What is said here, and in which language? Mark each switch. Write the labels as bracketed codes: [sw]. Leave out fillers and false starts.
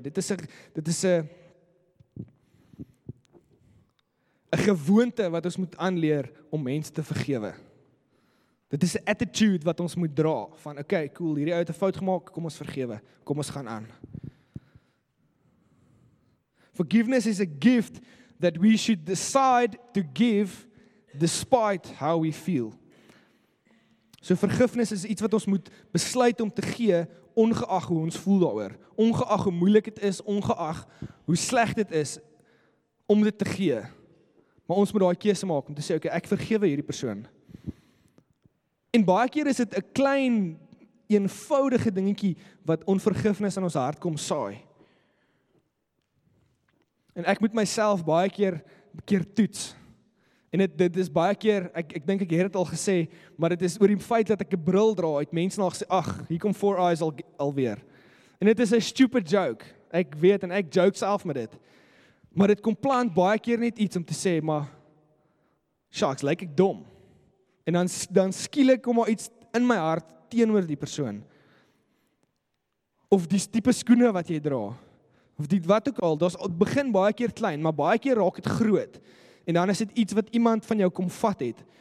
[af] Dit is 'n gewoonte wat ons moet aanleer om mense te vergewe. Dit is 'n attitude wat ons moet dra van, okay, cool, hierdie ou het 'n fout gemaak, kom ons vergewe, kom ons gaan aan. [en] Forgiveness is a gift that we should decide to give despite how we feel. [af] So vergifnis is iets wat ons moet besluit om te gee, ongeag hoe ons voel daaroor. Ongeag hoe moeilik dit is, ongeag hoe sleg dit is om dit te gee. Maar ons moet daai keuse maak om te sê, okay, ek vergewe hierdie persoon. En baie keer is dit 'n klein, eenvoudige dingetjie wat onvergifnis in ons hart kom saai. En ek moet myself baie keer toets. En dit is baie keer, ek dink ek het dit al gesê, maar dit is oor die feit dat ek 'n bril dra, het mense nog sê, ag, hier kom Four Eyes alweer. En dit is 'n [en] stupid joke. [af] Ek weet, en ek joke self met dit. Maar dit kom plant baie keer net iets om te sê, maar, shucks, lyk ek dom. En dan skielik kom al iets in my hart teenoor die persoon. Of die tipe skoene wat jy dra. Of die wat ook al, dit begin baie keer klein, maar baie keer raak het groot. En dan is dit iets wat iemand van jou kom vat het.